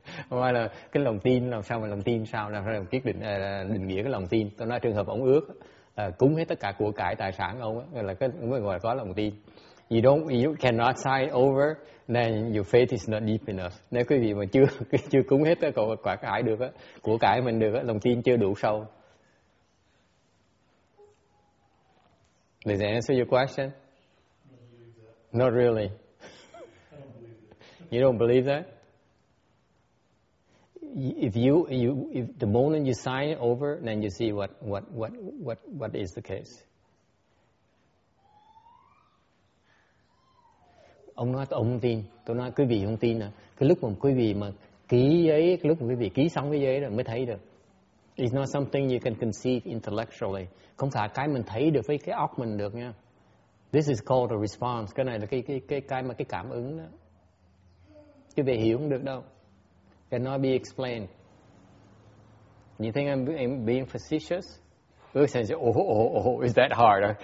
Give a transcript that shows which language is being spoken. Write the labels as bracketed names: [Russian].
[Vietnamese] Là cái lòng tin làm sao mà lòng tin sao là phải quyết định định nghĩa cái lòng tin. Tôi nói trường hợp ông ước cúng hết tất cả của cải tài sản ông là cái mới gọi là có lòng tin. [English] You cannot sign over, then your faith is not deep enough. [Vietnamese] Nếu quý vị mà chưa cúng hết tất cả của cải mình được, lòng tin chưa đủ sâu. [English] Does that answer your question? Not really. You don't believe that? If the moment you sign it over, then you see what is the case. [Vietnamese] Ông nói ông không tin, tôi nói quý vị không tin à. Cái lúc mà quý vị mà ký giấy, cái lúc mà quý vị ký xong cái giấy rồi mới thấy được. [English] It's not something you can conceive intellectually. [Vietnamese] Không phải cái mình thấy được với cái óc mình được nha. [English] This is called a response. [Vietnamese] Cái này là cái mà cái cảm ứng đó. Chứ về hiểu không được đâu. [English] Cannot be explained. You think I'm being facetious? Ước sẽ say, oh, is that hard?